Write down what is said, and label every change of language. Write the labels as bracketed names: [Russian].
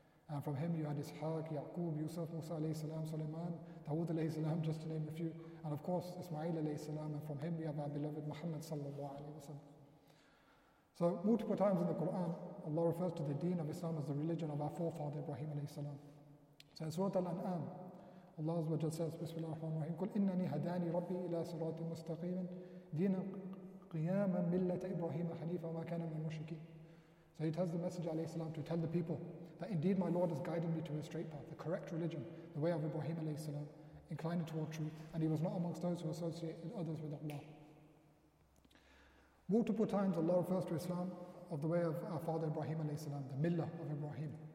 [English] And from him you had Ishaq, Yaqub, Yusuf, Musa alayhi salam, Suleiman, Dawood alayhi salam, just to name a few. And of course, Ismail alayhi salam, and from him we have our beloved Muhammad sallallahu alayhi wasallam. So multiple times in the Quran, Allah refers to the deen of Islam as the religion of our forefather Ibrahim alayhi salam. So in Surah Al-An'am, Allah Azza wa Jalla says, [Arabic] Bismillah ar-Rahman ar-Rahim, قُلْ إِنَّنِي هَدَانِي رَبِّي إِلَىٰ صِرَاطٍ مُسْتَقِيمٍ دِينًا قِيَامًا مِلَّةَ إِبْرَاهِيمَ حَنِيفًا وَمَا كَانَ مِنَ الْمُشْرِكِينَ. [English] So he tells the Messenger alayhi salam to tell the people that indeed my Lord has guided me to a straight path, the correct religion, the way of Ibrahim alayhi salam, inclining toward truth, and he was not amongst those who associated others with Allah. Multiple times Allah refers to Islam of the way of our father Ibrahim alayhi salam, the millah of Ibrahim.